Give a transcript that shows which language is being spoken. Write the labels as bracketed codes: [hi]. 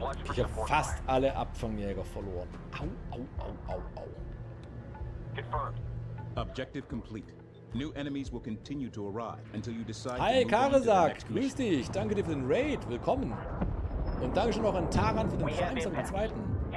[de] Ich habe fast alle Abfangjäger verloren. Au, au, au, au, au. [en] Confirmed. Objective complete. New enemies will continue to arrive until you decide. [de] Hi, Karesak. Grüß dich. Danke dir für den Raid. Willkommen. Und danke schon noch an Taran für den Feind am zweiten.